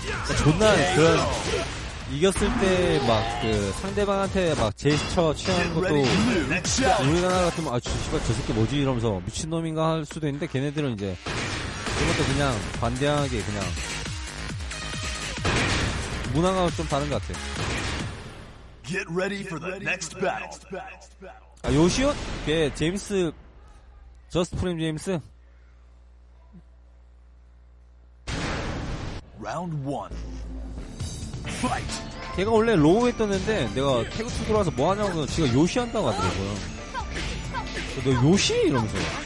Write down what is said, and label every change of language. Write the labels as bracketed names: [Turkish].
[Korean] 어, 존나 그런 이겼을 때 막 그 상대방한테 막 제스처 취하는 것도 우리나라 같으면 아 씨발 저 새끼 뭐지 이러면서 미친놈인가 할 수도 있는데 걔네들은 이제 그것도 그냥 관대하게 그냥 문화가 좀 다른 것 같아요. [English] Get ready for the next battle. [Korean] 아, 요시오? 걔, 제임스, 저스트 프레임 제임스. [English] Round 1. Fight! [Korean] 걔가 원래 로우 했던데, 내가 태그투 들어와서 뭐 하냐고, 지가 요시 한다고 하더라고요. 너 요시? 이러면서.